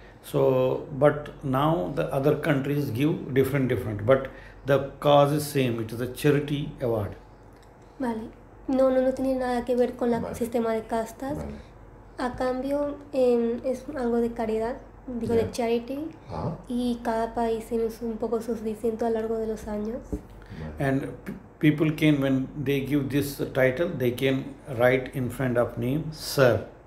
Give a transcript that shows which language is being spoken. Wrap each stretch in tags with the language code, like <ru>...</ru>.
<en>So, but now the other countries give different. But the cause is same. It is a charity award.</en> <es>Vale. No, no, no tiene nada que ver con el Vale. sistema de castas. Vale. A cambio, es algo de caridad, digo de charity, y cada país tiene un poco sus distintos a lo largo de los años.</es> <en>And people can, when they give this title, they can write in front of name, Sir.</en>